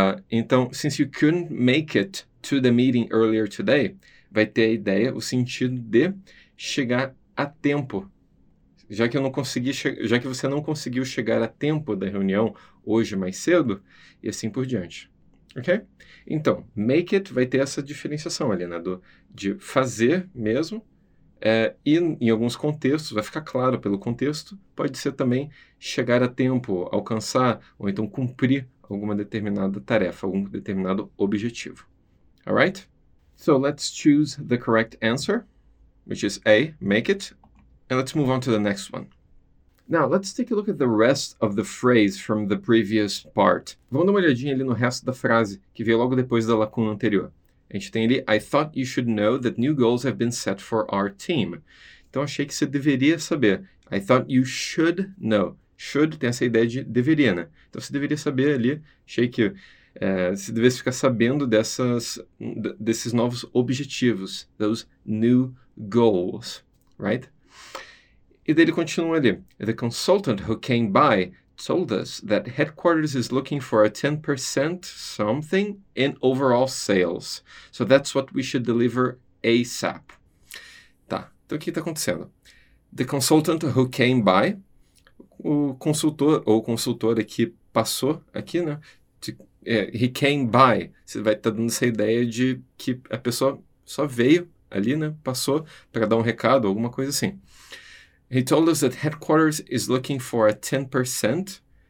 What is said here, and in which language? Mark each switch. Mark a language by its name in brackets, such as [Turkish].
[English] Então, since you couldn't make it to the meeting earlier today, [Portuguese] vai ter a ideia, o sentido de chegar a tempo. Já que você não conseguiu chegar a tempo da reunião hoje mais cedo, e assim por diante. Ok? Então, make it vai ter essa diferenciação ali, né? De fazer mesmo, e em alguns contextos, vai ficar claro pelo contexto, pode ser também chegar a tempo, alcançar, ou então cumprir alguma determinada tarefa, algum determinado objetivo. [English] Alright? So let's choose the correct answer, which is A, make it. And let's move on to the next one. Now, let's take a look at the rest of the phrase from the previous part. [Portuguese] Vamos dar uma olhadinha ali no resto da frase, que veio logo depois da lacuna anterior. A gente tem ali, [English] I thought you should know that new goals have been set for our team. [Portuguese] Então, achei que você deveria saber. [English] I thought you should know. [Portuguese] Should tem essa ideia de deveria, né? Então, você deveria saber ali. Achei que você deveria ficar sabendo desses novos objetivos. [English] Those new goals, right? [Portuguese] E daí ele continua ali. [English] The consultant who came by told us that headquarters is looking for a 10% something in overall sales. So that's what we should deliver ASAP. [Portuguese] Tá, então o que está acontecendo? [English] The consultant who came by, [Portuguese] o consultor ou consultora que passou aqui, né? [English] He came by. [Portuguese] Você vai estar dando essa ideia de que a pessoa só veio ali, né? Passou para dar um recado, alguma coisa assim. [English] He told us that headquarters is looking for a 10%.